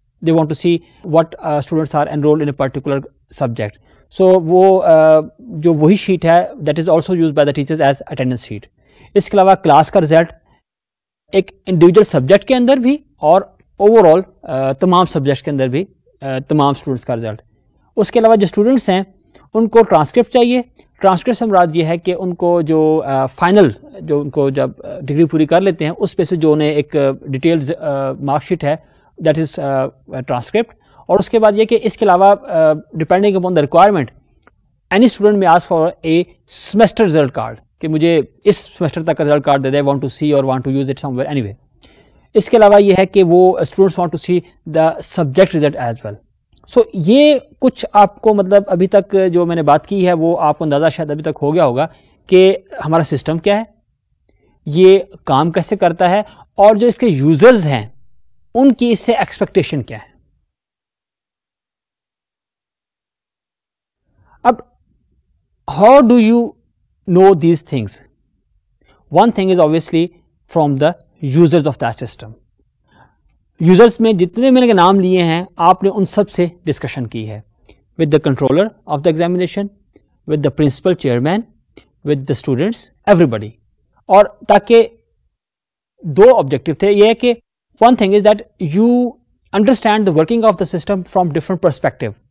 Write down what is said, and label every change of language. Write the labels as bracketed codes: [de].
[en] They want to see what students are enrolled in a particular subject. [ur] So wo jo wahi sheet hai, [en] that is also used by the teachers as attendance sheet. [ur] Iske alawa class ka result ek individual subject ke andar bhi aur over all تمام subjects کے اندر بھی تمام students کا result. اس کے علاوہ جو students ہیں ان کو ٹرانسکرپٹ چاہیے. ٹرانسکرپٹ سے مراد یہ ہے کہ ان کو جو فائنل جو ان کو جب ڈگری پوری کر لیتے ہیں اس پہ سے جو انہیں ایک ڈیٹیلڈ مارک شیٹ ہے [en] That is transcript. [ur] اور اس کے بعد یہ کہ اس کے علاوہ [en] depending upon the requirement any student میں ask for a semester result card [ur] کہ مجھے اس سیمسٹر تک کا result card they they, [en] Want to see اور want to use it somewhere anyway. [ur] اس کے علاوہ یہ ہے کہ وہ students [en] Want to see the subject result as well. [ur] سو یہ کچھ آپ کو مطلب ابھی تک جو میں نے بات کی ہے وہ آپ کو اندازہ شاید ابھی تک ہو گیا ہوگا کہ ہمارا سسٹم کیا ہے, یہ کام کیسے کرتا ہے, اور جو اس کے یوزرز ہیں ان کی اس سے ایکسپیکٹیشن کیا ہے. [en] اب how do you know these things? One thing is obviously from the users of that system. [ur] Users میں جتنے میں نے نام لیے ہیں آپ نے ان سب سے ڈسکشن کی ہے, [en] with the controller of the examination, with the principal chairman, with the students, everybody. [ur] اور تاکہ دو آبجیکٹو تھے, یہ ہے کہ [en] One thing is that you understand the working of the system from different perspective.